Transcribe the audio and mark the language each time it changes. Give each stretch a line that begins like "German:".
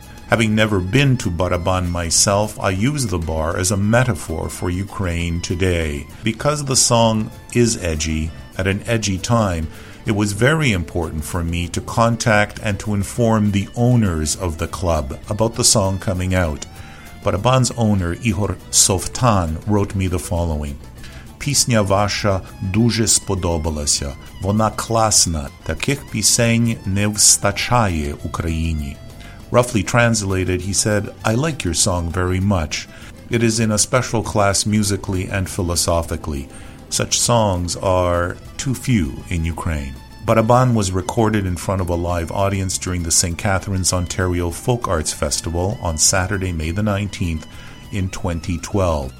English: Having never been to Baraban myself, I use the bar as a metaphor for Ukraine today. Because the song is edgy, at an edgy time, it was very important for me to contact and to inform the owners of the club about the song coming out. Baraban's owner, Ігор Совтан, wrote me the following.
Ukrainian: Пісня ваша дуже сподобалася. Вона класна. Таких пісень не вистачає Україні.
English: Roughly translated, he said, I like your song very much. It is in a special class musically and philosophically. Such songs are too few in Ukraine. Baraban was recorded in front of a live audience during the St. Catharines, Ontario Folk Arts Festival on Saturday, May the 19th in 2012.